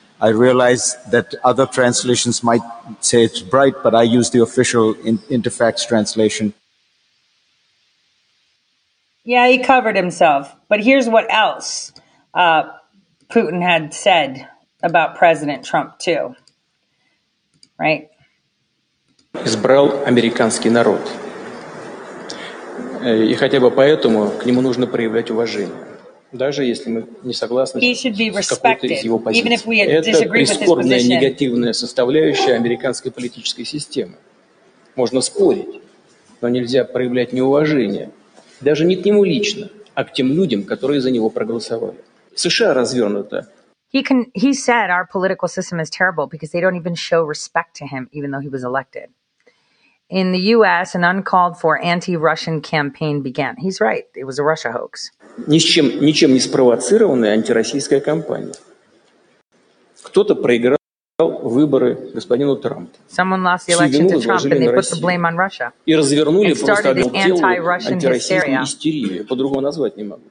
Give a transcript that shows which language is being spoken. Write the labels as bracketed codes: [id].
[en] I realize that other translations might say it's bright, but I use the official Interfax translation. Yeah, he covered himself. But here's what else Putin had said about President Trump, too. Right? [ru] Избрал американский народ. И хотя бы поэтому к нему нужно проявлять уважение. Даже если мы не согласны с какой-то из его позиций. Это прискорбная негативная составляющая американской политической системы. Можно спорить, но нельзя проявлять неуважение. Даже не к нему лично, а к тем людям, которые за него проголосовали. США развернуто. [en] He said our political system is terrible because they don't even show respect to him, even though he was elected. In the U.S., an uncalled for anti-Russian campaign began. He's right. It was a Russia hoax. [ru] Ничем не спровоцированная антироссийская кампания. Кто-то проиграл выборы господину Трампу. [en] Someone lost the election to Trump and they put the blame on Russia. [ru] И развернули просто антироссийскую истерию. По-другому назвать не могу.